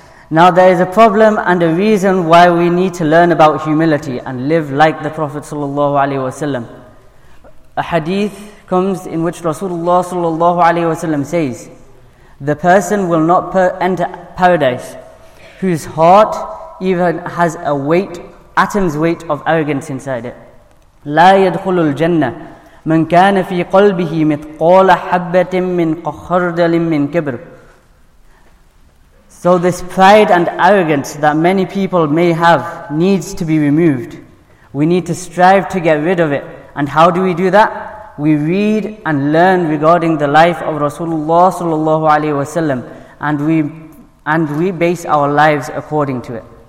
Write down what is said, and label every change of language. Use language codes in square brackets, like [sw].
[en] Now there is a problem and a reason why we need to learn about humility and live like the Prophet sallallahu alaihi wasallam. A hadith comes in which Rasulullah sallallahu alaihi wasallam says, "The person will not enter paradise whose heart even has a weight, atom's weight of arrogance inside it. [ar] لا يدخل الجنة من كان في قلبه مثقال حبة من قخردل من كبر." [en] So this pride and arrogance that many people may have needs to be removed. We need to strive to get rid of it. And how do we do that? We read and learn regarding the life of Rasulullah sallallahu alaihi wasallam, and we base our lives according to it.